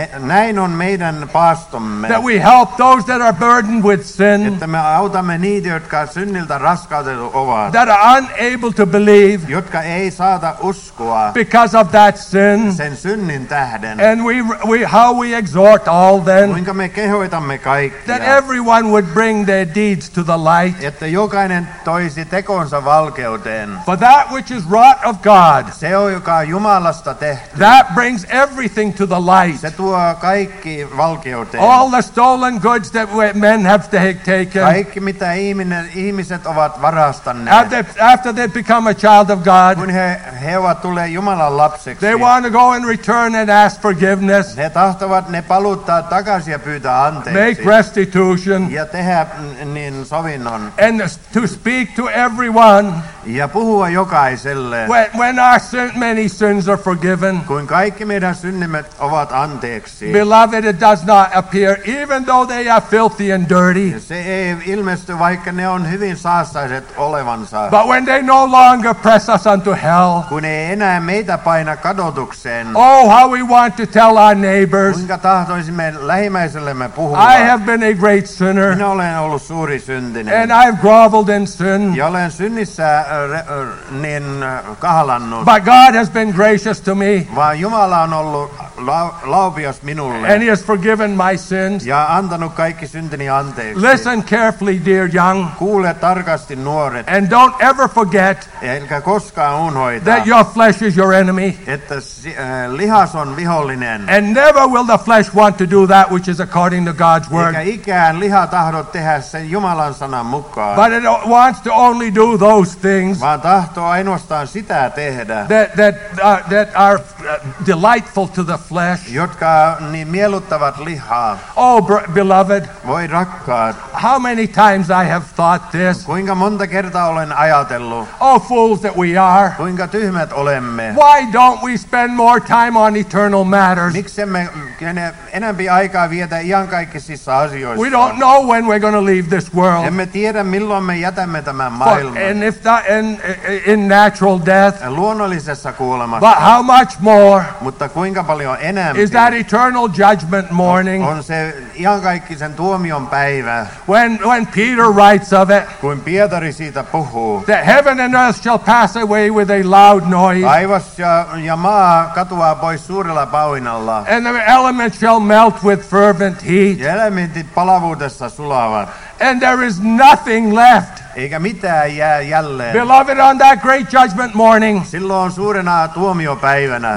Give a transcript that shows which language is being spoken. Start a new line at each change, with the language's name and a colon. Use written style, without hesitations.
Finnish: Näin on meidän paastomme.
English: That we help those that are burdened with sin.
Finnish: Että me autamme niitä, jotka synniltä raskautettu ovat.
English: That are unable to believe.
Finnish: Jotka ei saata uskoa.
English: Because of that sin.
Finnish: Sen synnin tähden.
English: And we exhort all then.
Finnish: Kuinka me kehoitamme kaikkia.
English: That everyone would bring their deeds to the light.
Finnish: Että jokainen toisi tekonsa valkeuteen.
English: For that which is wrought of God.
Finnish: Se on, joka on Jumalasta tehty.
English: That brings everything to the light.
Finnish: Se tuo kaikki valkeuteen.
English: All the stolen goods that men have taken.
Finnish: Kaikki mitä ihmiset ovat varastanneet.
English: After they become a child of God.
Finnish: Kun he ovat tulleet Jumalan lapsiksi.
English: They want to go and return and ask forgiveness.
Finnish: He tahtovat ne paluttaa takaisin ja pyytää anteeksi.
English: Make restitution.
Finnish: Ja tehdä niin sovinnon.
English: And to speak to everyone.
Finnish: Ja puhua jokaiselle.
English: When our sin, many sins are forgiven.
Finnish: Kun kaikki meidän synnimme ovat anteeksi.
English: Beloved, it does not appear, even though they are filthy and dirty.
Finnish: Se ei ilmesty, vaikka ne on hyvin saastaiset olevansa.
English: But when they no longer press us unto hell.
Finnish: Kun ei enää meitä paina kadotukseen.
English: Oh, how we want to tell our neighbors.
Finnish: Kuinka tahtoisimme lähimmäisellemme puhua.
English: I have been a great sinner.
Finnish: Minä olen ollut suuri syntinen.
English: And I have groveled in sin.
Finnish: Ja olen synnissä.
English: But God has been gracious to me.
Finnish: Vaan Jumala on ollut laupias minulle.
English: And he has forgiven my sins.
Finnish: Ja antanut kaikki syntini anteeksi.
English: Listen carefully, dear young.
Finnish: Kuule tarkasti, nuoret.
English: And don't ever forget.
Finnish: Eikä koskaan unohda.
English: That your flesh is your enemy.
Finnish: Että lihas on vihollinen.
English: And never will the flesh want to do that which is according to God's word.
Finnish: Eikä ikään liha tahdo tehdä sen Jumalan sanan mukaan.
English: But it wants to only do those things that are delightful to the flesh.
Finnish: Jotka niin mieluttavat lihaa.
English: Oh, beloved,
Finnish: voi rakkaat,
English: how many times I have thought this.
Finnish: Kuinka monta kertaa olen ajatellut.
English: Oh, fools that we are.
Finnish: Kuinka tyhmät olemme.
English: Why don't we spend more time on eternal matters?
Finnish: Miksemme enempi aikaa vietä iankaikkisissa asioissa?
English: We don't know when we're going to leave this world.
Finnish: Emme tiedä, milloin me jätämme tämän maailman.
English: If that in natural death,
Finnish: luonnollisessa kuolemassa,
English: but how much more?
Finnish: Mutta kuinka paljon enemmän?
English: Is that eternal judgment morning?
Finnish: On se iankaikkisen tuomion päivä.
English: When Peter writes of it,
Finnish: kun Pietari siitä puhuu,
English: that heaven and earth shall pass away with a loud noise.
Finnish: Taivas ja maa katoaa pois suurella pauinalla.
English: And the elements shall melt with fervent heat.
Finnish: Ja elementit palavuudessa sulavat.
English: And there is nothing left.
Finnish: Eikä mitään jää jälleen.
English: Beloved, on that great judgment morning.
Finnish: Silloin suurena tuomiopäivänä.